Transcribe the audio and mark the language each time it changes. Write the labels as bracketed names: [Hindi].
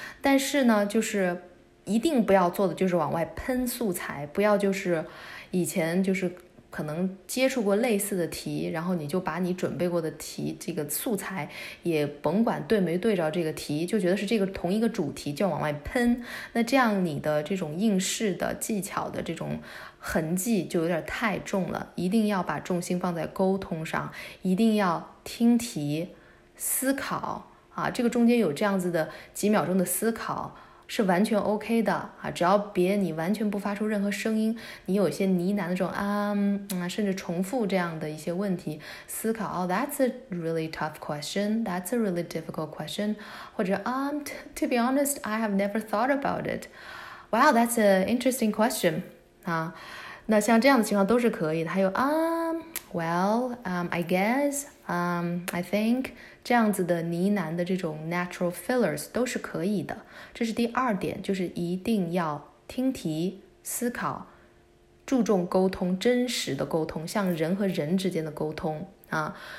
[Chinese] 但是呢，就是一定不要做的就是往外喷素材，不要就是以前就是可能接触过类似的题，然后你就把你准备过的题这个素材也甭管对没对着这个题，就觉得是这个同一个主题就往外喷，那这样你的这种应试的技巧的这种痕迹就有点太重了，一定要把重心放在沟通上，一定要听题、思考啊，这个中间有这样子的几秒钟的思考，是完全 OK 的啊，只要别你完全不发出任何声音，你有些呢喃的这种甚至重复这样的一些问题思考。 [English] 哦，that's a really tough question. That's a really difficult question. 或者to be honest, I have never thought about it. Wow, that's an interesting question. [Chinese] 啊，那像这样的情况都是可以的。还有 [English] I guess, I think。 [Chinese] 这样子的呢喃的这种 natural fillers 都是可以的，这是第二点，就是一定要听题、思考，注重沟通，真实的沟通，像人和人之间的沟通啊。